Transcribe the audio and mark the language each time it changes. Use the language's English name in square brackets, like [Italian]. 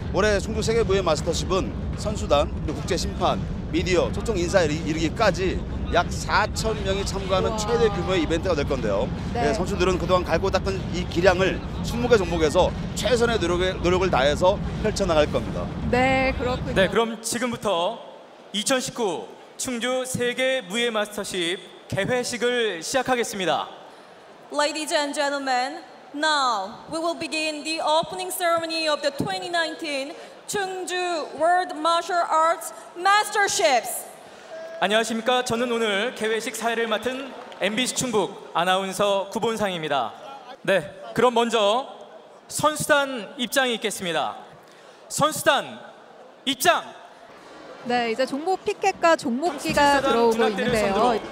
[Korean] 올해 충주 세계 무예 마스터십은 선수단, 국제 심판, 미디어, 초청 인사에 이르기까지 약 4천 명이 참가하는 최대 규모의 이벤트가 될 건데요. 네. 네, 선수들은 그동안 갈고 닦은 이 기량을 20개 종목에서 최선의 노력을 다해서 펼쳐나갈 겁니다. 네, 그렇군요. 네, 그럼 지금부터 2019 충주 세계 무예 마스터십 개회식을 시작하겠습니다. [English] Ladies and gentlemen, now we will begin the opening ceremony of the 2019 Chungju World Martial Arts Masterships. [Korean] 안녕하십니까. 저는 오늘 개회식 사회를 맡은 MBC 충북 아나운서 구본상입니다. 네, 그럼 먼저 선수단 입장이 있겠습니다. 선수단 입장! 네, 이제 종목 피켓과 종목기가 들어오고 있는데요.